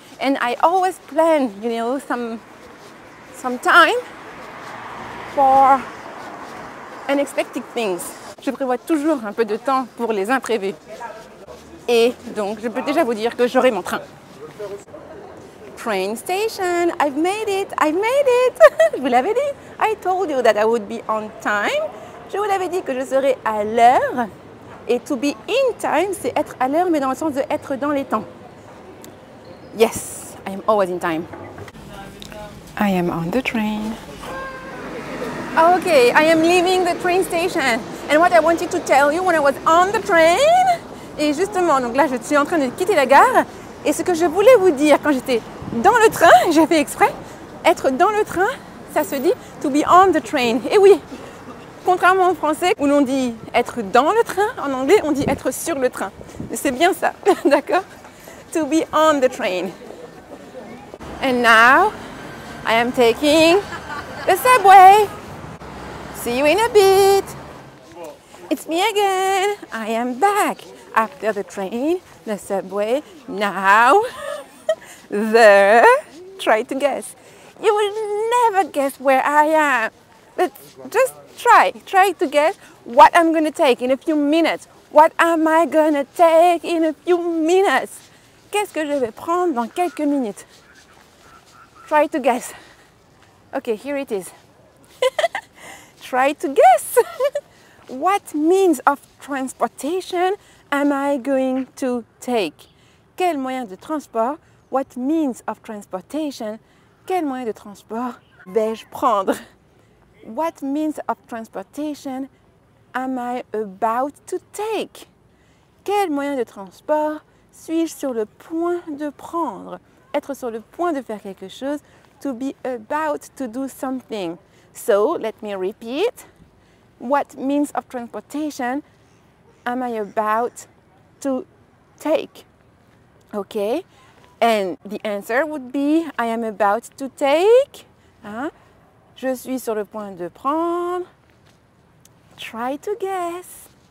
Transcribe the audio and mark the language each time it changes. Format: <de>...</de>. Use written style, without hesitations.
<en>And I always plan, you know, some time for unexpected things.</en> <fr>Je prévois toujours un peu de temps pour les imprévus. Et donc, je peux déjà vous dire que j'aurai mon train.</fr> <en>Train station, I've made it.</en> <fr>Je vous l'avais dit.</fr> <en>I told you that I would be on time.</en> <fr>Je vous l'avais dit que je serai à l'heure. Et</fr> <en>to be in time,</en> <fr>c'est être à l'heure, mais dans le sens de être dans les temps.</fr> <en>Yes, I am always in time. I am on the train. Okay, I am leaving the train station. And what I wanted to tell you when I was on the train...</en> <fr>Et justement, donc là, je suis en train de quitter la gare. Et ce que je voulais vous dire quand j'étais dans le train, j'ai fait exprès, être dans le train, ça se dit</fr> <en>to be on the train.</en> <fr>Et oui, contrairement au français où l'on dit être dans le train, en anglais, on dit être sur le train. C'est bien ça, d'accord?</fr> <en>To be on the train. And now, I am taking the subway. See you in a bit. It's me again. I am back. After the train, the subway, now the... Try to guess. You will never guess where I am. But just try. Try to guess what I'm going to take in a few minutes. What am I going to take in a few minutes?</en> <fr>Qu'est-ce que je vais prendre dans quelques minutes?</fr> <en>Try to guess. Okay, here it is. Try to guess. What means of transportation am I going to take?</en> <fr>Quel moyen de transport?</fr> <en>What means of transportation?</en> <fr>Quel moyen de transport vais-je prendre?</fr> <en>What means of transportation am I about to take?</en> <fr>Quel moyen de transport suis-je sur le point de prendre? Être sur le point de faire quelque chose.</fr> <en>To be about to do something. So, let me repeat. What means of transportation am I about to take? Okay, and the answer would be I am about to take.</en> <fr>Hein? Je suis sur le point de prendre.</fr> <en>Try to guess.</en>